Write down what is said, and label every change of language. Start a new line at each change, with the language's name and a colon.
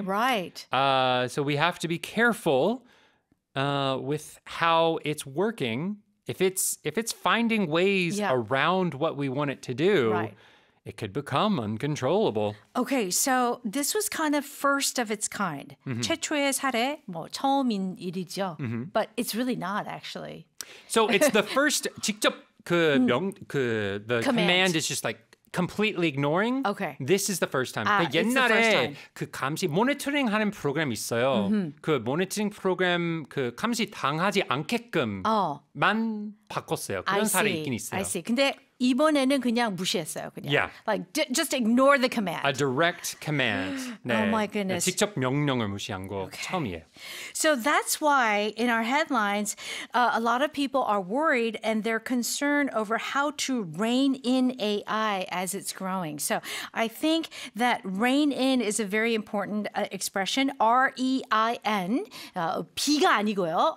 English: Right. So we have to be careful with how it's working. If it's finding ways around what we want it to do, right. It could become uncontrollable. Okay, so this was kind of first of its kind. Mm-hmm.
Korean: 최초의 사례, 뭐 처음인 일이죠.
English: Mm-hmm. But it's really not actually. So it's the first 직접 the command is just like completely ignoring. Okay. This is the first time.
Korean: 옛날에 그 감시 모니터링 하는 프로그램 있어요. Mm-hmm. 그 모니터링 프로그램 그 감시 당하지 않게끔만 바꿨어요. 그런 사례 있긴 있어요.
English: I see.
Korean: 근데 이번에는 그냥 무시했어요. 그냥.
English: Yeah. Like just ignore the command. A direct command. 네. Oh my goodness.
Korean: 직접 명령을 무시한 거 처음이에요.
English: So that's why in our headlines, a lot of people are worried and they're concerned over how to rein in AI as it's growing. So I think that rein in is a very important expression. R-E-I-N.
Korean: 비가 아니고요.